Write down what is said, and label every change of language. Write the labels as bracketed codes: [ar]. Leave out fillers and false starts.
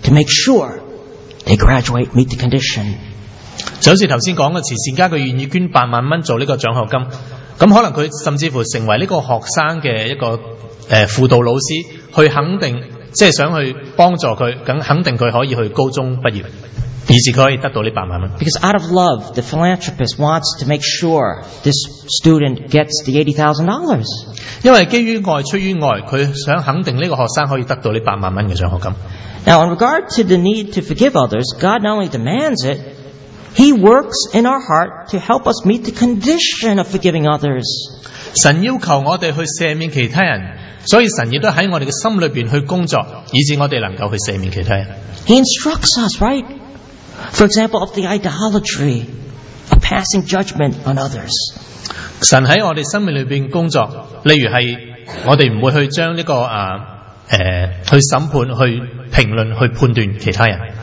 [en] to make sure they graduate, meet the condition. [yue] 就好似頭先講嘅慈善家，佢願意捐80,000做呢個獎學金，咁可能佢甚至乎成為呢個學生嘅一個輔導老師，去肯定，即係想去幫助佢，咁肯定佢可以去高中畢業，以至佢可以得到呢80,000。 [en] Because out of love, the philanthropist wants to make sure this student gets the $80,000. [yue] 因為基於愛，出於愛，佢想肯定呢個學生可以得到呢80,000嘅獎學金。 [en] Now, in regard to the need to forgive others, God not only demands it, He works in our heart to help us meet the condition of forgiving others. [yue] 神要求我哋去赦免其他人，所以神亦都喺我哋嘅心里边去工作，以致我哋能够去赦免其他人。 [en] He instructs us, right? For example, of the idolatry of passing judgment on others. [yue] 神喺我哋生命里边工作，例如系我哋唔会去将呢、这个去审判、去评论、去判断其他人。